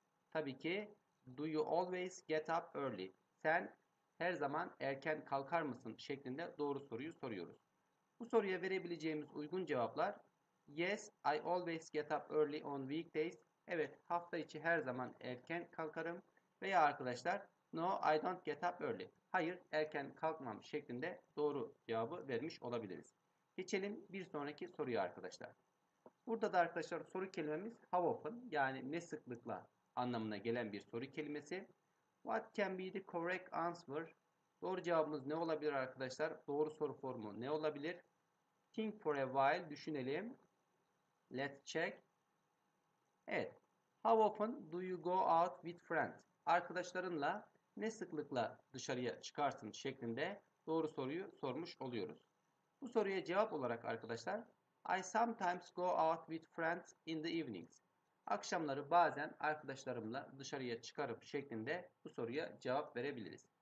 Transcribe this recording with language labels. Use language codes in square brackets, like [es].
[tr] Tabii ki [en] do you always get up early? [tr] Sen her zaman erken kalkar mısın şeklinde doğru soruyu soruyoruz. Bu soruya verebileceğimiz uygun cevaplar [en] yes, I always get up early on weekdays. [tr] Evet, hafta içi her zaman erken kalkarım. Veya arkadaşlar, [en] no, I don't get up early. [tr] Hayır, erken kalkmam şeklinde doğru cevabı vermiş olabiliriz. Geçelim bir sonraki soruya arkadaşlar. Burada da arkadaşlar soru kelimemiz [en] how often, [tr] yani ne sıklıkla anlamına gelen bir soru kelimesi. [en] What can be the correct answer? [tr] Doğru cevabımız ne olabilir arkadaşlar? Doğru soru formu ne olabilir? [en] Think for a while, [tr] düşünelim. [en] Let's check. [tr] Evet. [en] How often do you go out with friends? [tr] Arkadaşlarınla ne sıklıkla dışarıya çıkarsın şeklinde doğru soruyu sormuş oluyoruz. Bu soruya cevap olarak arkadaşlar, [en] I sometimes go out with friends in the evenings. [tr] Akşamları bazen arkadaşlarımla dışarıya çıkarıp şeklinde bu soruya cevap verebiliriz.